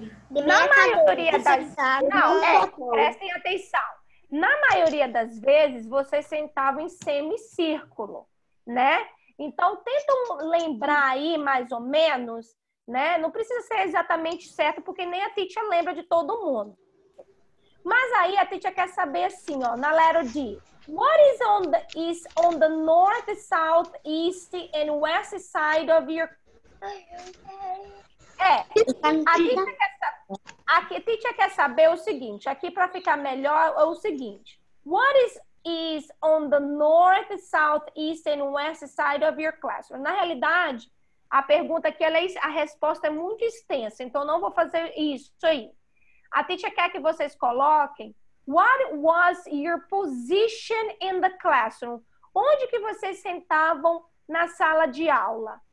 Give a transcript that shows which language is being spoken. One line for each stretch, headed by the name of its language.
Portuguese: Na maioria das vezes, não, prestem atenção. Na maioria das vezes, vocês sentavam em semicírculo, né? Então, tentam lembrar aí, mais ou menos, né? Não precisa ser exatamente certo, porque nem a Titia lembra de todo mundo. Mas aí, a Titia quer saber assim, ó, na letra D.
English: What is on the north, south, east, and west side of your...
Portuguese: A Titia quer saber o seguinte, aqui para ficar melhor, é o seguinte.
English: What is on the north, south, east, and west side of your classroom?
Portuguese: Na realidade, a pergunta aqui, a resposta é muito extensa, então não vou fazer isso aí. A Titia quer que vocês coloquem,
English: what was your position in the classroom?
Portuguese: Onde que vocês sentavam na sala de aula?